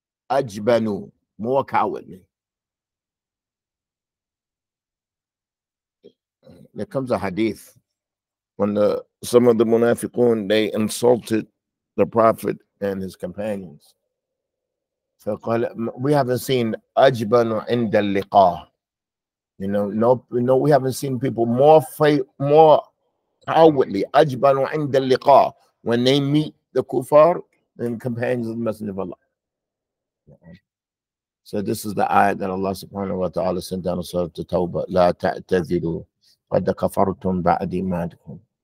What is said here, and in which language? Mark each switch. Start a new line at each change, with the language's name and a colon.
English: أجبنوا. More cowardly. There comes a hadith. When some of the munafiqun, they insulted the Prophet and his companions. فقال, we haven't seen
Arabic: أجبنوا عند اللقاء.
English: You know, no, we haven't seen people more cowardly.
Arabic: أجبنوا عند اللقاء.
English: When they meet the kuffar and companions of the Messenger of Allah. So this is the ayah that Allah subhanahu wa ta'ala sent down the surah to Tawbah.
Arabic: لا تعتذروا قد كفرتم بعد إيمانكم.